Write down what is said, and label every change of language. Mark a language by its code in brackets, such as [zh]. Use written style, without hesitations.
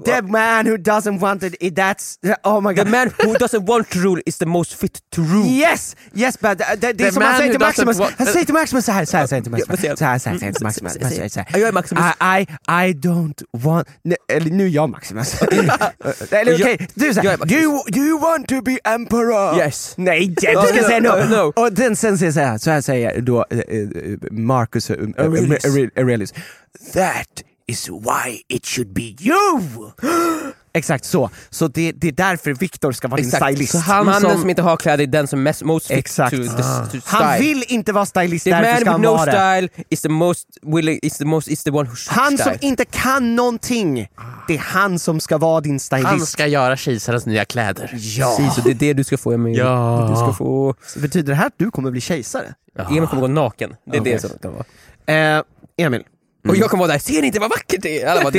[en] The man who doesn't want it, that's... Oh my god. The man who doesn't want to rule is the most fit to rule. Yes, yes, but [sv] det är som man säger till Maximus. Han säger till Maximus såhär. [en] I don't want... [sv] Nu är jag Maximus. Okej, du säger. [en] Do you want to be emperor? Yes. [sv] Nej, du ska säga no. Och den sen säger jag så här. Så säger då Marcus Aurelius. [en] That is why it should be you. [sv] Exakt så. Så det är därför Victor ska vara din stylist. Så han som inte har kläder är den som [en] most fit to the style. [sv] Han vill inte vara stylist. [en] The man with no style is the most willing, is the one who should. [sv] Han som inte kan någonting. Det är han som ska vara din stylist. Han ska göra kejsarens nya kläder. Ja. Precis, så det är det du ska få, Emil. Ja. Du ska få... Betyder det här att du kommer bli kejsare? Ja. Emil kommer gå naken. Det är det som kan vara. Emil. Mm. Och jag kommer vara där. Ser ni inte vad vackert det är?